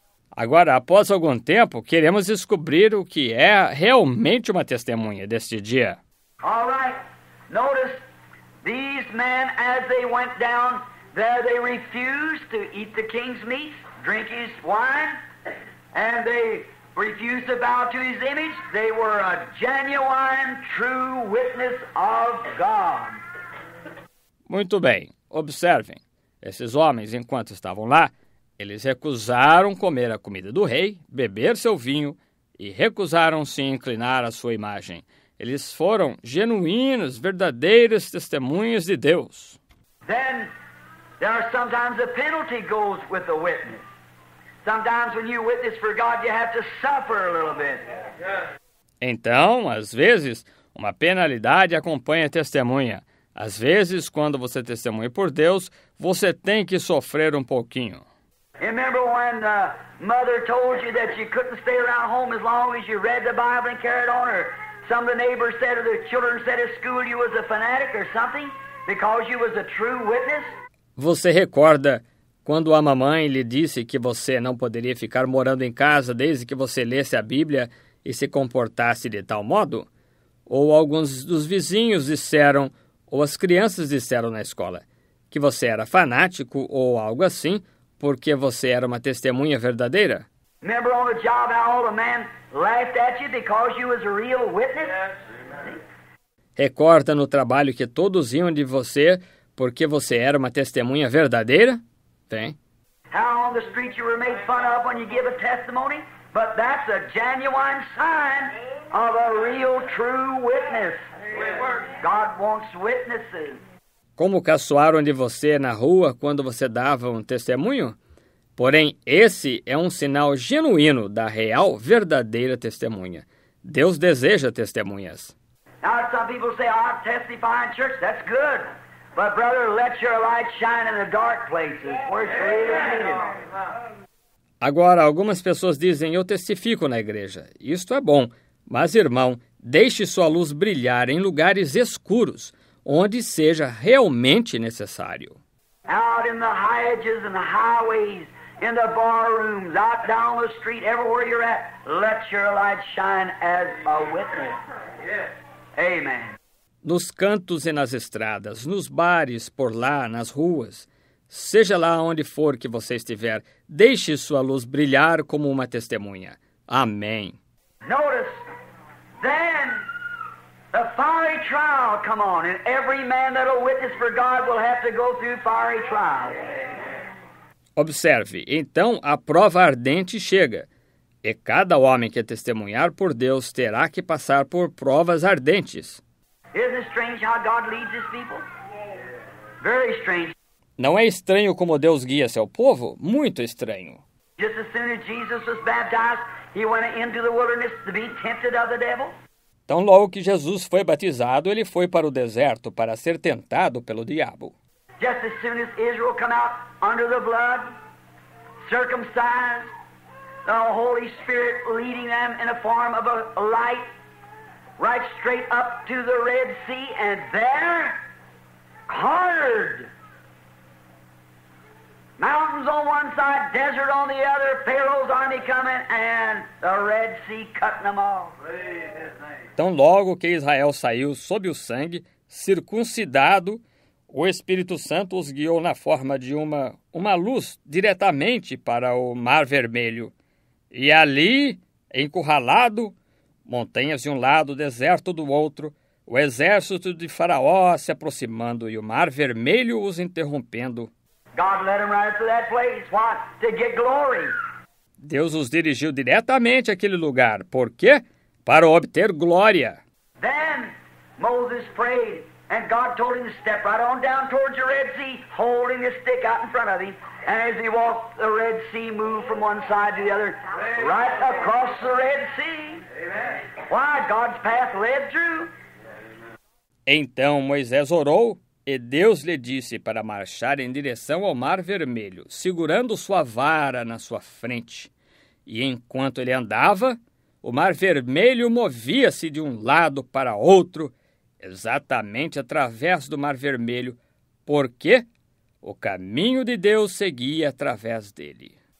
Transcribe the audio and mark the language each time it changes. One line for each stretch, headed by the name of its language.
Portuguese: Agora, após algum tempo, queremos descobrir o que é realmente uma testemunha deste dia.
English: All right. Notice these men as they went down there, they refused to eat the king's meat, drink his wine, and they refused to bow to his image. They were a genuine, true witness of God.
Portuguese: Muito bem. Observem. Esses homens, enquanto estavam lá, eles recusaram comer a comida do rei, beber seu vinho e recusaram-se inclinar à sua imagem. Eles foram genuínos, verdadeiros testemunhos de Deus.
English: Then, there are sometimes a penalty goes with the witness. Sometimes when you witness for God, you have to suffer a little bit.
Portuguese: Então, às vezes, uma penalidade acompanha a testemunha. Às vezes, quando você testemunha por Deus, você tem que sofrer um pouquinho.
English: Remember when the mother told you that you couldn't stay around home as long as you read the Bible and carried on, or some of the neighbors said or the children said at school you was a fanatic or something because you was a true witness?
Portuguese: Você recorda quando a mamãe lhe disse que você não poderia ficar morando em casa desde que você lesse a Bíblia e se comportasse de tal modo? Ou alguns dos vizinhos disseram, ou as crianças disseram na escola, que você era fanático ou algo assim, porque você era uma testemunha verdadeira?
English: Remember on the job how all the men laughed at you because you was a real witness?
Portuguese: Recorda no trabalho que todos riam de você porque você era uma testemunha verdadeira? Bem.
English: How on the street you were made fun of when you give a testimony, but that's a genuine sign of a real true witness. God wants witnesses.
Portuguese: Como caçoaram de você na rua quando você dava um testemunho? Porém, esse é um sinal genuíno da real, verdadeira testemunha. Deus deseja testemunhas.
English: Now some people say, "I testify in church." That's good. But brother, let your light shine in the dark places. Where it's really needed.
Portuguese: Agora, algumas pessoas dizem, "Eu testifico na igreja." Isto é bom. Mas, irmão, deixe sua luz brilhar em lugares escuros, onde seja realmente necessário.
English: Out in the hedges and the highways, in the bar rooms, out down the street, everywhere you're at, let your light shine as a witness. Amen.
Portuguese: Nos cantos e nas estradas, nos bares, por lá, nas ruas, seja lá onde for que você estiver, deixe sua luz brilhar como uma testemunha. Amém.
English: Notice, then the fiery trial come on, and every man that'll witness for God will have to go through fiery trial.
Portuguese: Observe, então a prova ardente chega, e cada homem que testemunhar por Deus terá que passar por provas ardentes.
English: Isn't it strange how God leads his people? Very strange.
Portuguese: Não é estranho como Deus guia seu povo? Muito estranho.
English: Just as soon as Jesus was baptized, he went into the wilderness to be tempted of the devil.
Portuguese: Tão logo que Jesus foi batizado, ele foi para o deserto para ser tentado pelo diabo.
English: Just as soon as Israel came out under the blood, circumcised, the Holy Spirit leading them in a form of a light, right straight up to the Red Sea, and there, hard. Mountains on one side, desert on the other, Pharaoh's army coming, and the Red Sea cutting them off.
Portuguese: Tão logo que Israel saiu sob o sangue, circuncidado, o Espírito Santo os guiou na forma de uma luz diretamente para o Mar Vermelho. E ali, encurralado, montanhas de um lado, deserto do outro, o exército de Faraó se aproximando e o Mar Vermelho os interrompendo.
English: God led them right to that place. What? To get glory.
Portuguese: Deus os dirigiu diretamente àquele lugar. Por quê? Para obter glória.
English: Then Moses prayed, and God told him to step right on down towards the Red Sea, holding his stick out in front of him. And as he walked, the Red Sea moved from one side to the other, right across the Red Sea. Why? God's path led through.
Portuguese: Então Moisés orou, e Deus lhe disse para marchar em direção ao Mar Vermelho, segurando sua vara na sua frente. E enquanto ele andava, o Mar Vermelho movia-se de um lado para outro, exatamente através do Mar Vermelho, porque o caminho de Deus seguia através dele.